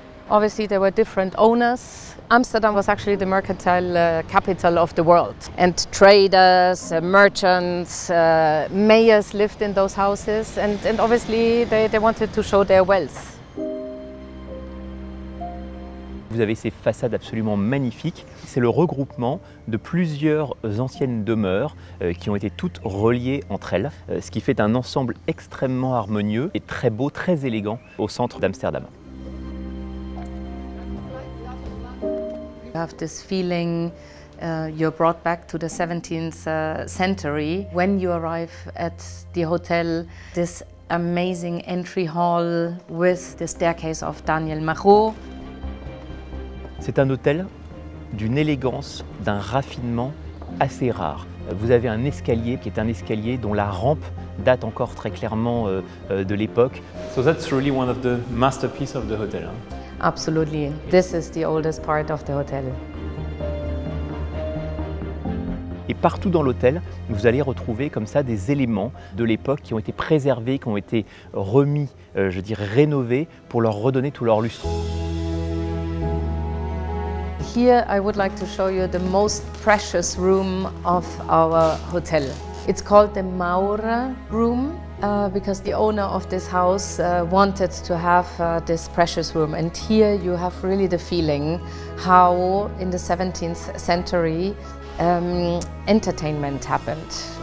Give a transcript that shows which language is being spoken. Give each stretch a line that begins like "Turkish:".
English: Obviously there were different owners. Amsterdam was actually the mercantile capital of the world. And traders, merchants, mayors lived in those houses and obviously they wanted to show their wealth.
French: Vous avez ces façades absolument magnifiques. C'est le regroupement de plusieurs anciennes demeures qui ont été toutes reliées entre elles, ce qui fait un ensemble extrêmement harmonieux et très beau, très élégant au centre d'Amsterdam.
English: You have this feeling you're brought back to the 17th century. When you arrive at the hotel, this amazing entry hall with the staircase of Daniel Marot.
French: C'est un hôtel d'une élégance, d'un raffinement assez rare. Vous avez un escalier qui est un escalier dont la rampe date encore très clairement de l'époque.
English: So that's really one of the masterpieces of the hotel. Hein? Absolutely. This is the oldest part of the hotel.
French: Et partout dans l'hôtel, vous allez retrouver comme ça des éléments de l'époque qui ont été préservés, qui ont été remis, je dirais rénovés pour leur redonner tout leur lustre.
English: Here I would like to show you the most precious room of our hotel. It's called the Maurer room because the owner of this house wanted to have this precious room. And here you have really the feeling how in the 17th century entertainment happened.